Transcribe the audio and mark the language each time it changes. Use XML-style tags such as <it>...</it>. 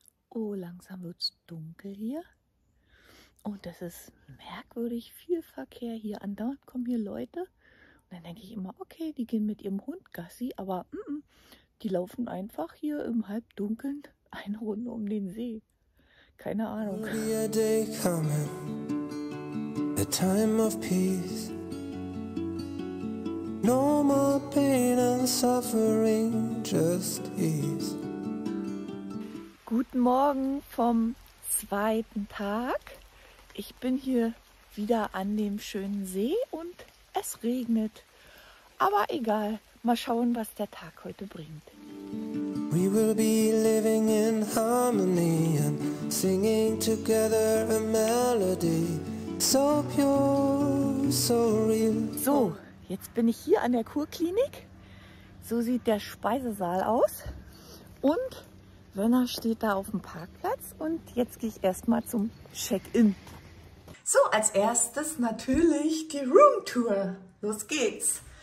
<de>Oh, langsam wird es dunkel hier. Und das ist merkwürdig viel Verkehr hier. Andauernd kommen hier Leute. Und dann denke ich immer, okay, die gehen mit ihrem Hund Gassi. Aber die laufen einfach hier im Halbdunkeln eine Runde um den See. Keine Ahnung.</de> <en>A day coming, a time of peace. No more pain and suffering, just ease.</en> <de>Guten Morgen vom zweiten Tag. Ich bin hier wieder an dem schönen See und es regnet. Aber egal, mal schauen, was der Tag heute bringt.</de> <en>We will be living in harmony and singing together a melody. So pure, so real.</en> <de>So, jetzt bin ich hier an der Kurklinik. So sieht der Speisesaal aus. Und Werner steht da auf dem Parkplatz. Und jetzt gehe ich erstmal zum Check-in. So, als erstes natürlich die Roomtour. Los geht's.</de>